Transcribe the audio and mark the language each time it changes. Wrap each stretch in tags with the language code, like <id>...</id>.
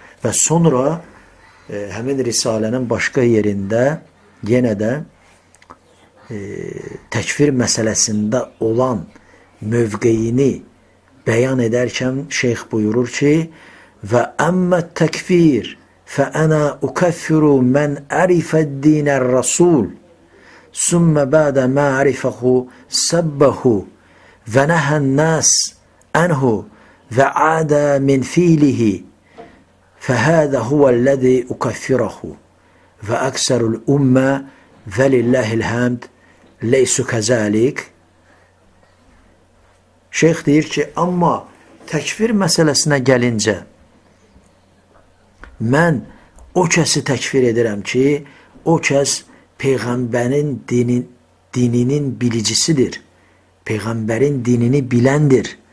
<az>Və sonra həmin risalənin başqa yerində yenə də təkfir məsələsində olan mövqeyini bəyan edərkən şeyx buyurur ki, və əmmət təkfir</az> <ar>فأنا أكفر من عرف الدين الرسول ثم بعد ما عرفه سبه ونهى الناس عنه وعاد من فعله فهذا هو الذي أكفره وأكثر الأمة ولله الحمد ليس كذلك.</ar> <az>Şeyh deyir ki, amma təkfir məsələsinə gəlincə, mən o kəsi təkfir edirəm ki, o kəs Peyğəmbərin dininin bilicisidir, Peyğəmbərin dinini biləndir</az>